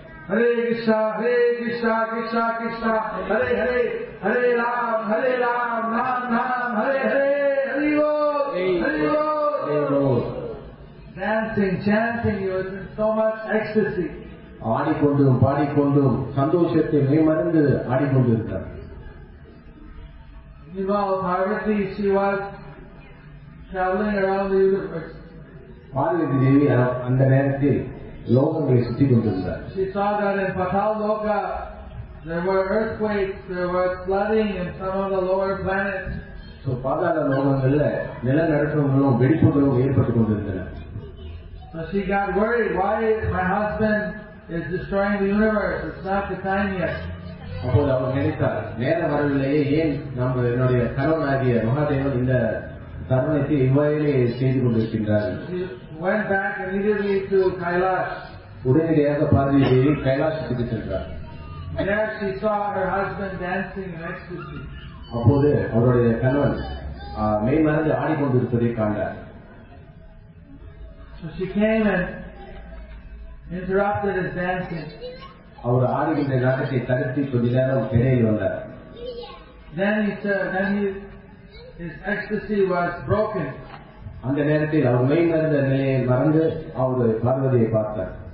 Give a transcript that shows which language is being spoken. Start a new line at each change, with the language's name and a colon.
Sanskrit: Hare Krishna Krishna Krishna Hare Hare Hare Ram Ram Ram Hare Hare Hari Om Hari Om Hari Om.
English: Dancing, chanting, he was in so much ecstasy.
Tamil: ஆடிக்கொண்டும் பாடிக்கொண்டும் சந்தோஷத்தை மெய்மறந்து ஆடிக்கொண்டிருந்தார்.
English: Meanwhile, Parvati, she was traveling around the universe.
Tamil: Parvati தேவி அந்த நேரத்தில் லோகங்களை சுற்றி கொண்டிருந்தார்.
English: She saw that in Patal Loka, there were earthquakes, there was flooding in some of the lower planets.
Tamil: So, பாதாள லோகங்களில் நிலநடுக்கங்களும் வெடிப்புகளும் ஏற்பட்டுக் கொண்டிருந்தன.
English: So she got worried, why my husband is destroying the universe, it's not the time yet.
Tamil: அப்போது அவர் நினைத்தார், நேர வரவில்லையே, ஏன் நம்ம என்னுடைய கணவனாகிய மகாதேவன் இந்த தர்மத்தை இவ்வாறிலே செய்து கொண்டிருக்கின்றார்.
English: Went back immediately to Kailash.
Tamil: உடனடியாக பார்வதி தேவி கைலாசத்துக்கு சென்றார்.
English: There she saw her husband dancing in ecstasy.
Tamil: அப்போது அவருடைய கணவன் மெய்மறந்து ஆடிக்கொண்டிருப்பதை கண்டார்.
English: So she came and interrupted his dancing.
Tamil: அவர் ஆடுகின்ற நாட்டத்தை தடுத்து கொஞ்ச நேரம் திரையில் வந்தார்.
English: Then he said, then his ecstasy was broken.
Tamil: அந்த நேரத்தில் அவர் மெய்மறந்த நிலையை மறந்து அவர் பார்வதியை பார்த்தார்.